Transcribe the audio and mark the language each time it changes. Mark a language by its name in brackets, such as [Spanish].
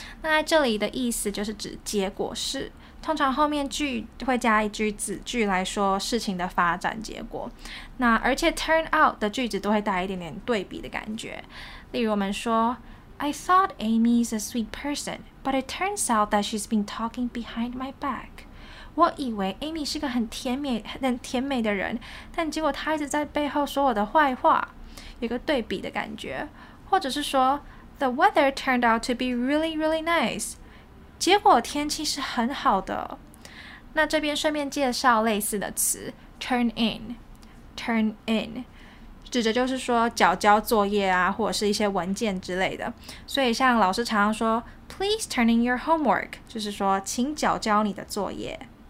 [Chinese] 那在这里的意思就是指结果是，通常后面句会加一句子句来说事情的发展结果。那而且 turn out 的句子都会带一点点对比的感觉。例如我们说 [English] ，I thought Amy is a sweet person， but it turns out that she's been talking behind my back。 [Chinese] 我以为 Amy 是个很甜美的人，但结果她一直在背后说我的坏话，有个对比的感觉。 [English] 或者是说 ，The weather turned out to be really, really nice。 [Chinese] 结果天气是很好的。那这边顺便介绍类似的词 ，turn in， 指的就是说缴交作业啊，或者是一些文件之类的。所以像老师常常说 ， [English] Please turn in your homework， [Chinese] 就是说请缴交你的作业。